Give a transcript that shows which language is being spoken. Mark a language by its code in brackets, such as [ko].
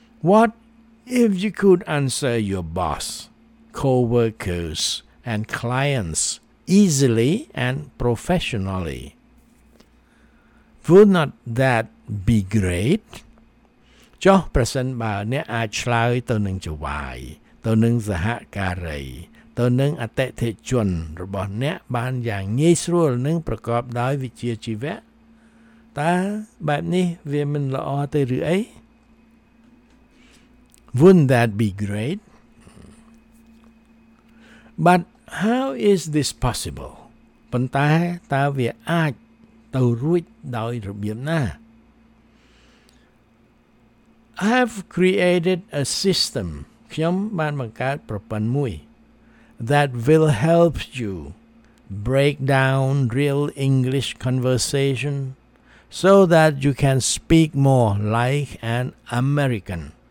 [en] What if you could answer your boss co-workers and clients easily and professionally Would not that be great [km] ចុះប្រសិនបើអ្នកអាចឆ្លើយទៅនឹងចង្វាយទៅនឹងសហការី ទៅនឹងអតិថិជនរបស់អ្នកបានយ៉ាងងាយស្រួលនិងប្រកបដោយវិជ្ជាជីវៈតើបែបនេះវាមិនល្អទេឬអី [en] Wouldn't that be great? But how is this possible? [km] ប៉ុន្តែតើវាអាចទៅរួចដោយរបៀបណា [en] I have created a system [km] ខ្ញុំបានបង្កើតប្រព័ន្ធមួយ [en] That will help you break down real English conversation so that you can speak more like an American.